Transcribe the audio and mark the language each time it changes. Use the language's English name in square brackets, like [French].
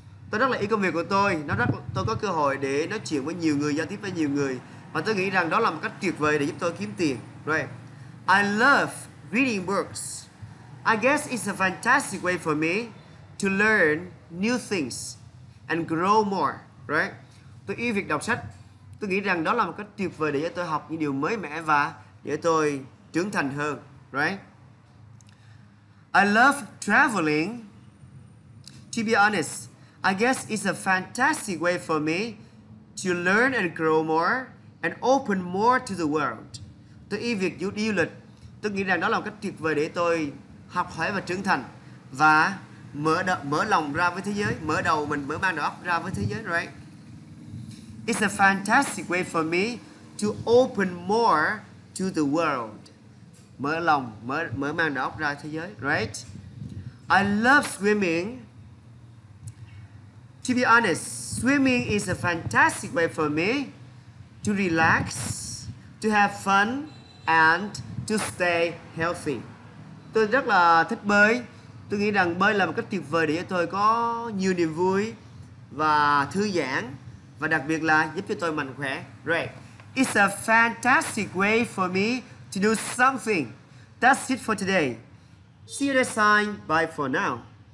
[Vietnamese] Tôi rất là yêu công việc của tôi, tôi có cơ hội để nói chuyện với nhiều người, giao tiếp với nhiều người, và tôi nghĩ rằng đó là một cách tuyệt vời để giúp tôi kiếm tiền, right? [English] I love reading books. I guess it's a fantastic way for me to learn new things and grow more, right? [Vietnamese] Tôi yêu việc đọc sách. Tôi nghĩ rằng đó là một cách tuyệt vời để cho tôi học những điều mới mẻ và để tôi trưởng thành hơn, right? [English] I love traveling. To be honest, I guess it's a fantastic way for me to learn and grow more and open more to the world. [Vietnamese] Tôi yêu việc đi du lịch. Tôi nghĩ rằng đó là một cách tuyệt vời để tôi học hỏi và trưởng thành và mở lòng ra với thế giới, mở đầu mình, mở mang đầu óc ra với thế giới, right? [English] It's a fantastic way for me to open more to the world. [Vietnamese] Mở lòng, mở mang đầu óc ra thế giới, right? [English] I love swimming. To be honest, swimming is a fantastic way for me to relax, to have fun, and to stay healthy. [Vietnamese] Tôi rất là thích bơi. Tôi nghĩ rằng bơi là một cách tuyệt vời để cho tôi có nhiều niềm vui và thư giãn, và đặc biệt là giúp cho tôi mạnh khỏe. [English] Right. It's a fantastic way for me to do something. That's it for today. See you next time. Bye for now.